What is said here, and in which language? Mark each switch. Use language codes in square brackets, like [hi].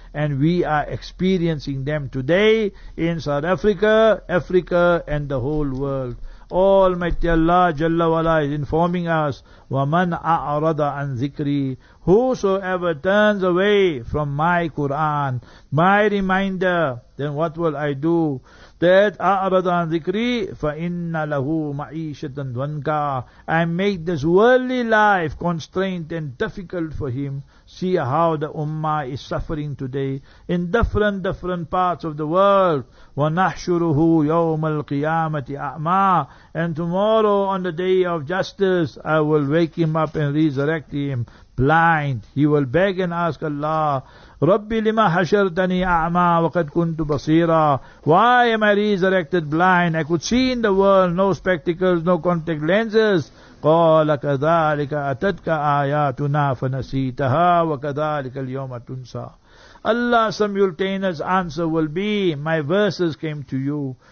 [en] And we are experiencing them today in South Africa, Africa and the whole world. Almighty Allah Jalla Wala is informing us, [ar] وَمَنْ أَعْرَضَ عَنْ ذِكْرِي. [en] Whosoever turns away from my Quran, my reminder, then what will I do? [ar] That أَعْرَضَ عَنْ ذِكْرِي فَإِنَّ لَهُ مَعِيشَةً دُنْكَى. [en] I make this worldly life constrained and difficult for him. See how the ummah is suffering today in different parts of the world. [ar] وَنَحْشُرُهُ يَوْمَ الْقِيَامَةِ أَعْمَى. [en] And tomorrow on the day of justice, I will wake him up and resurrect him blind. He will beg and ask Allah, [ar] رَبِّ لِمَا حَشَرْتَنِي أَعْمَى وَقَدْ كُنْتُ بَصِيرًا. [en] Why am I resurrected blind? I could see in the world, no spectacles, no contact lenses. [ar] قَالَ كَذَلِكَ أَتَتْكَ آيَاتُنَا فَنَسِيتَهَا وَكَذَلِكَ الْيَوْمَ تُنْسَى. [en] Allah's simultaneous answer will be, my verses came to you.